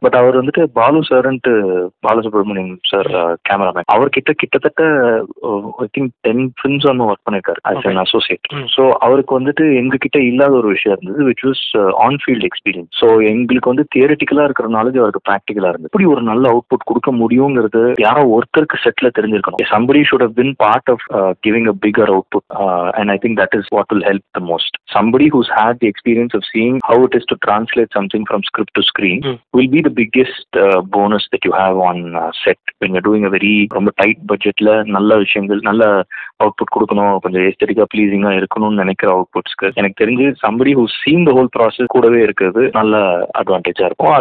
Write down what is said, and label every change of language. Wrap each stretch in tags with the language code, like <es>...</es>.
<ta>But அவர் வந்துட்டு Balu சார்ன்ட்டு, Balasubramaniam sir cameraman, அவர்கிட்ட கிட்டத்தட்ட</ta> <en>I think 10 films on work</en> <ta>பண்ணிருக்காரு</ta> <en>as an associate.</en> <ta>So அவருக்கு வந்துட்டு எங்ககிட்ட இல்லாத ஒரு விஷயம் இருந்தது,</ta> <en>which was on field experience.</en> <ta>So எங்களுக்கு வந்து தியரிட்டிக்கலா இருக்கிற knowledge அவருக்கு பிராக்டிக்கலா இருந்தது. இப்படி ஒரு நல்ல அவுட்புட் கொடுக்க முடியுங்கிறது யாரோ ஒருத்தருக்கு செட்ல தெரிஞ்சிருக்கணும்.</ta> <en>Somebody should have been part of giving a bigger output, and I think that is what will help the most. Somebody who's had the experience of seeing how it is to translate something from script to screen will be the biggest bonus that you have on set when you're doing a very</en> <ta>ரொம்ப tight பட்ஜெட்ல நல்ல விஷயங்கள், நல்ல output கொடுக்கணும், கொஞ்சம் ஏஸ்தெட்டிக்கா பிளீசிங்கா இருக்கணும்னு நினைக்கிற அவுட்புட்ஸ்க்கு எனக்கு தெரிஞ்சு somebody who scene the whole process கூடவே இருக்கிறது நல்ல அட்வான்டேஜா இருக்கும்.</ta>